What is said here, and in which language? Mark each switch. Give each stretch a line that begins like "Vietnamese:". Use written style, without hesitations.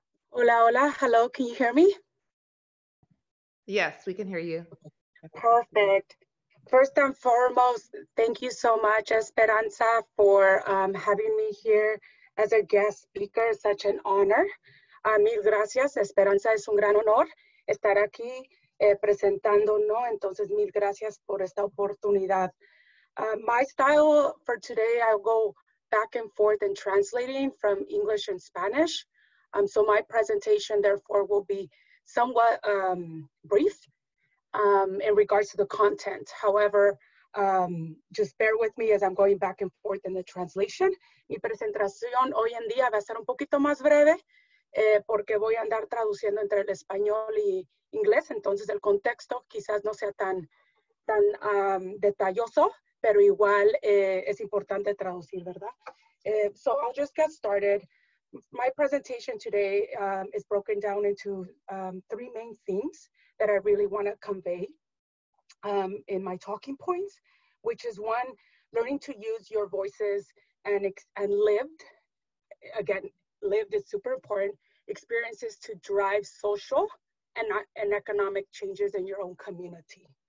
Spanish: Hola, hola.
English: Hello, can you hear me? Yes, we can hear you. Perfect. First and foremost, thank you so much, Esperanza, for having me here as a guest speaker. Such an honor.
Spanish: Mil gracias, Esperanza. Es un gran honor estar aquí presentando, ¿no? Entonces, mil gracias por esta oportunidad.
English: My style for today, I'll go back and forth in translating from English and Spanish. So my presentation, therefore, will be somewhat brief in regards to the content. However, just bear with me as I'm going back and forth in the translation.
Spanish: Mi presentación hoy en día va a ser un poquito más breve porque voy a andar traduciendo entre el español y inglés. Entonces, el contexto quizás no sea tan detalloso, pero igual es importante traducir, ¿verdad?
English: So I'll just get started. My presentation today is broken down into three main themes that I really want to convey in my talking points, which is one, learning to use your voices and lived, again, lived is super important, experiences to drive social and economic changes in your own community.